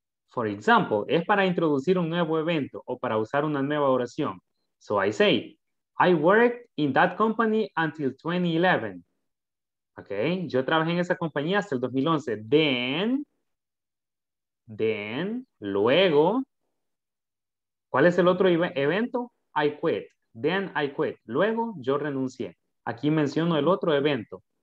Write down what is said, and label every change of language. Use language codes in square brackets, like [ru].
[en] For example, [es] es para introducir un nuevo evento o para usar una nueva oración. [en] So I say, I worked in that company until 2011. [es] Okay, yo trabajé en esa compañía hasta el 2011. Then, luego, ¿cuál es el otro evento? [en] I quit. Then I quit. [es] Luego, yo renuncié. Aquí menciono el otro evento.